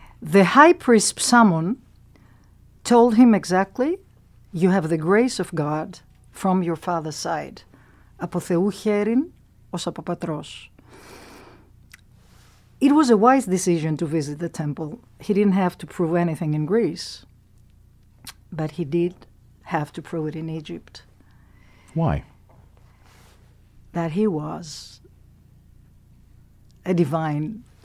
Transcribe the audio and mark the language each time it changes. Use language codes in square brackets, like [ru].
[en] The high priest Psammon told him exactly, you have the grace of God from your father's side. [el] Από Θεού χέριν ως από πατρός. [en] It was a wise decision to visit the temple. He didn't have to prove anything in Greece, but he did have to prove it in Egypt. Why? That he was a divine